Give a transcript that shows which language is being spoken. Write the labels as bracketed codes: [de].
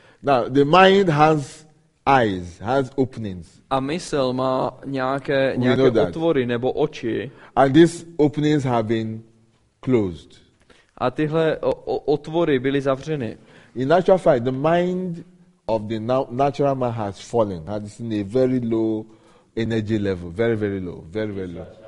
[en] Now the mind has eyes, has openings. [cs] A mysl má nějaké otvory nebo oči. [en] And these openings have been closed. [cs] A tyhle otvory byly zavřeny. [en] In actual fact, the mind of the natural man has fallen. That is in a very low energy level, very very low, very very low.